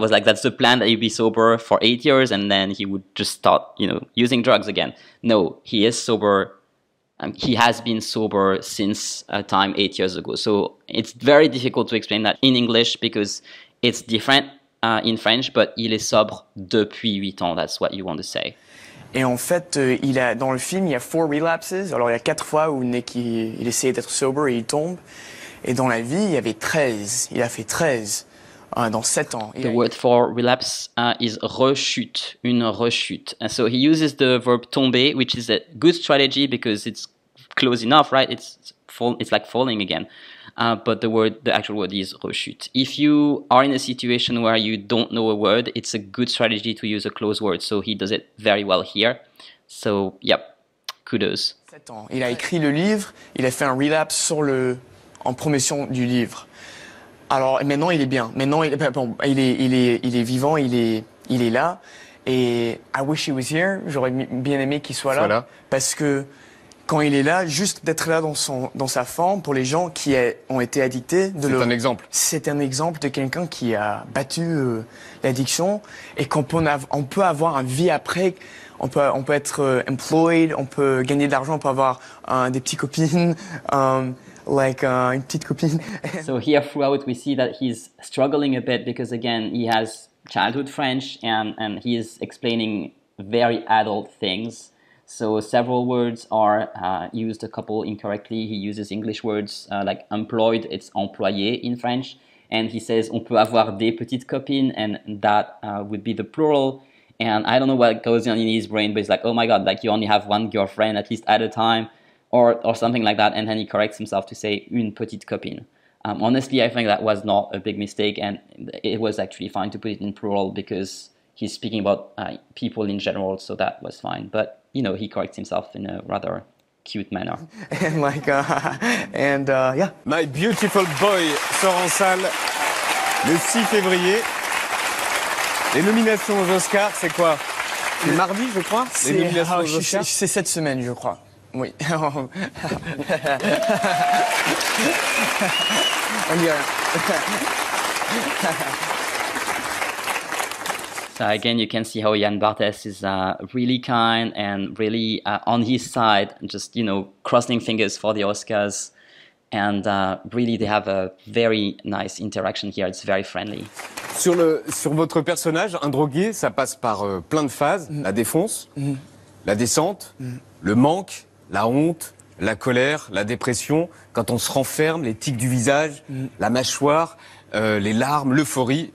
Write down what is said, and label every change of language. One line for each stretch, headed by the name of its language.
English: That was like, that's the plan, that he'd be sober for 8 years and then he would just start, you know, using drugs again. No, he is sober. He has been sober since a time 8 years ago. So it's very difficult to explain that in English because it's different in French, but
French: il est sobre depuis 8 ans.
English: That's what you want to say.
French: Et en fait, il a, dans le film, il y a 4 relapses. Alors il y a 4 fois où Nick, il essayait d'être sober et il tombe. Et dans la vie, il y avait 13. Il a fait 13 dans 7 ans.
English: The word for relapse is rechute, une rechute. And so he uses the verb tomber, which is a good strategy because it's close enough, right? It's like falling again. But the actual word is rechute. If you are in a situation where you don't know a word, it's a good strategy to use a close word. So he does it very well here. So, yep, kudos.
French: 7 ans. Il a écrit le livre, il a fait un relapse en promotion du livre. Alors maintenant il est bien. Maintenant il est vivant, il est là. Et
English: I wish he was here.
French: J'aurais bien aimé qu'il soit là. Voilà. Parce que quand il est là, juste d'être là dans sa forme pour les gens qui ont été addictés. Un exemple. C'est un exemple de quelqu'un qui a battu l'addiction et qu'on peut, on peut avoir une vie après. On peut être employed, on peut gagner de l'argent, on peut avoir des petites copines, une petite copine.
English: So here throughout we see that he's struggling a bit because again he has childhood French and he is explaining very adult things. So several words are used a couple incorrectly. He uses English words like employed, it's employé in French. And he says
French: on peut avoir des petites copines
English: and that would be the plural. And I don't know what goes on in his brain, but he's like, oh my God, like you only have one girlfriend at least at a time or something like that. And then he corrects himself to say
French: une petite copine.
English: Honestly, I think that was not a big mistake. And it was actually fine to put it in plural because he's speaking about people in general. So that was fine. But, you know, he corrects himself in a rather cute manner. And like, yeah.
French: My beautiful boy sort en salle le 6 février. Les nominations aux Oscars, c'est quoi? C'est mardi, je crois. Les nominations aux Oscars, c'est cette semaine, je crois. Oui. On dit rien.
English: So again, you can see how Yann Barthès is really kind and really on his side, just, you know, crossing fingers for the Oscars. And really, they have a very nice interaction here. It's very friendly.
French: Sur le sur votre personnage, un drogué, ça passe par plein de phases. La défonce, la descente, le manque, la honte, la colère, la dépression. Quand on se renferme, les tics du visage, la mâchoire, les larmes, l'euphorie.